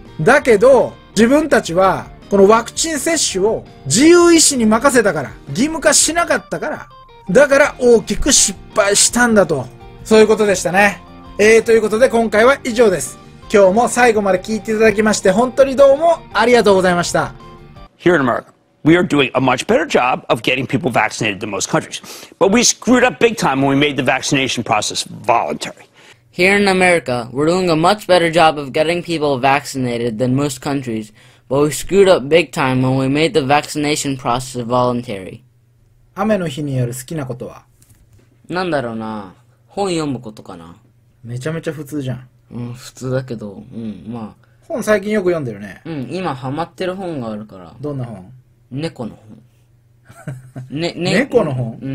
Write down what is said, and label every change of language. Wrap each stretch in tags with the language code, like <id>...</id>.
<ja>だけど、自分たちは、このワクチン接種を自由意志に任せたから、義務化しなかったから、だから大きく失敗したんだと。そういうことでしたね。ということで今回は以上です。今日も最後まで聞いていただきまして本当にどうもありがとうございました。</ja> <en>Here in America, we are doing a much better job of getting people vaccinated than most countries. But we screwed up big time when we made the vaccination process voluntary. Here in America, we're doing a much better job of getting people vaccinated than most countries. But we screwed up big time when we made the vaccination process voluntary.</en> <ja>雨の日にやる好きなことは？なんだろうな。本読むことかな。めちゃめちゃ普通じゃん。うん、普通だけど、うん、まあ。本最近よく読んでるね。うん、今ハマってる本があるから。どんな本？猫の本。猫の本？</ja>